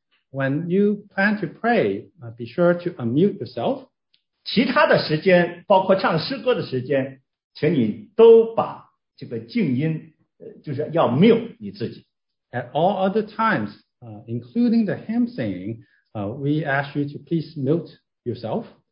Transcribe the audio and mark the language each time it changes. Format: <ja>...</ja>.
<en>When you plan to pray, be sure to unmute yourself.</en> <zh>其他的时间，包括唱诗歌的时间，请你都把这个静音，就是要mute你自己。</zh> <en>At all other times, including the hymn singing, we ask you to please mute yourself.</en>